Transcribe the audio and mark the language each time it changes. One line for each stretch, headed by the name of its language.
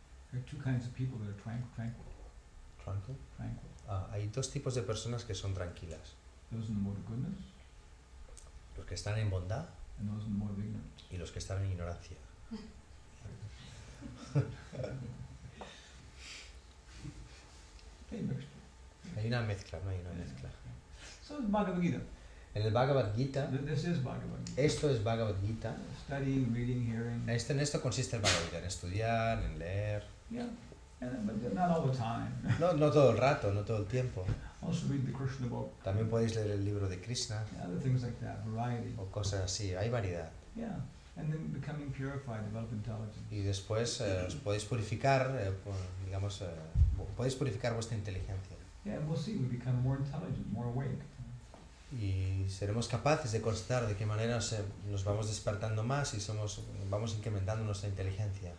English: There are two kinds of people that are tranquil. Tranquil? Tranquil.
Spanish: Hay dos tipos de personas que son tranquilas.
English: Those in the mode of goodness.
Spanish: Los que están en bondad
English: and those in the mode of ignorance.
Spanish: Y los que están en ignorancia. Hay una mezcla, ¿no? Hay una mezcla.
English: So it's Bhagavad Gita.
Spanish: En el Bhagavad Gita.
English: This is Bhagavad Gita.
Spanish: Esto es Bhagavad Gita.
English: Studying, reading, hearing.
Spanish: En esto consiste el Bhagavad Gita, en estudiar, en leer.
English: Yeah. And, but not all the time.
Spanish: No todo el rato, no todo el tiempo.
English: Also read the Krishna book.
Spanish: También podéis leer el libro de Krishna.
English: Yeah, other things like that, variety.
Spanish: O cosas así, hay variedad.
English: Yeah, and then becoming purified, develop intelligence.
Spanish: Y después os podéis purificar, digamos, podéis purificar vuestra inteligencia.
English: Yeah, and we'll see, we become more intelligent, more awake.
Spanish: Y seremos capaces de constatar de qué manera nos vamos despertando más y vamos incrementando nuestra inteligencia.